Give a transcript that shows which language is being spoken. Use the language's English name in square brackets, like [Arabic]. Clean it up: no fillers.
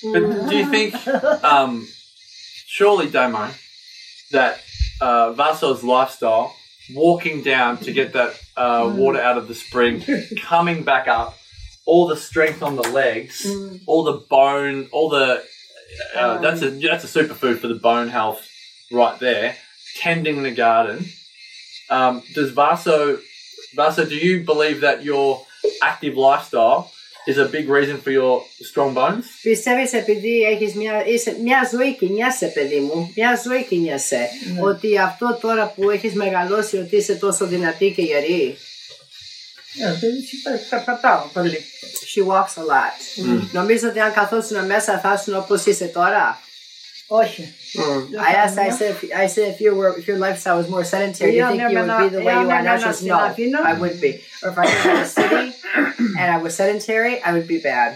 [English] But do you think, surely, Damo, that Vasso's lifestyle, walking down to get that water out of the spring, coming back up, all the strength on the legs, all the bone, all the that's a superfood for the bone health right there, tending the garden. Does Vasso, do you believe that your active lifestyle is a big reason for your strong bones? [Greek] Πιστεύεις επειδή έχεις μια ζωή κοινιάσαι, παιδί μου, μια ζωή κοινιάσαι, ότι αυτό τώρα που έχεις μεγαλώσει, ότι είσαι τόσο δυνατή και γερή. Ναι, περπατάω πολύ. [English] She walks a lot. [Greek] Νομίζω ότι αν καθόσουν μέσα θα ήσουν όπως είσαι τώρα. Όχι. [English] I said if your lifestyle was more sedentary, you think you would be the way you are now? Just no, I would be. Or if I was in a city and I was sedentary, I would be bad.